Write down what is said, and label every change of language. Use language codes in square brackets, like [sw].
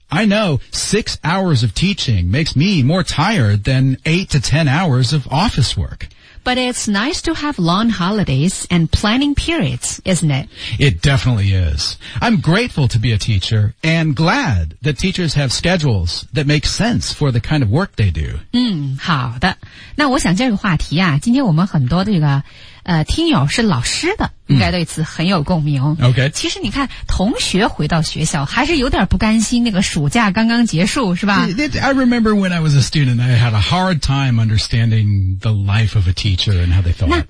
[en] I know 6 hours of teaching makes me more tired than 8 to 10 hours of office work. But it's nice to have long holidays and planning periods, isn't it? It definitely is. I'm grateful to be a teacher and glad that teachers have schedules that make sense for the kind of work they do. [zh] 好的。那我想这个话题啊，今天我们很多这个听友是老师的应该对此很有共鸣。 [en] Okay. [zh] 其实你看同学回到学校还是有点不甘心，那个暑假刚刚结束是吧。 [en] I remember when I was a student, I had a hard time understanding the life of a teacher and how they felt.